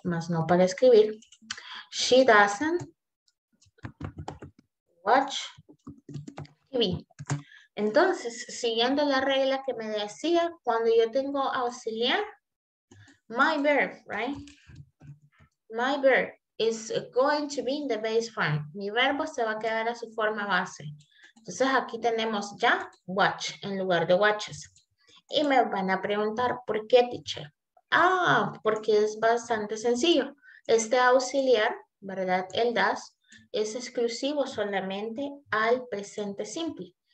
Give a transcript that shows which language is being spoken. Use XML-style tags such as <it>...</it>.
<es>Más no para escribir.</es> <en>She doesn't watch TV.</en> <es>Entonces, siguiendo la regla que me decía, cuando yo tengo auxiliar,</es> <en>my verb, right? My verb is going to be in the base form.</en> <es>Mi verbo se va a quedar a su forma base. Entonces, aquí tenemos ya watch en lugar de watches. Y me van a preguntar, ¿por qué, teacher? Ah, porque es bastante sencillo. Este auxiliar, ¿verdad? El does es exclusivo solamente al presente simple.</es>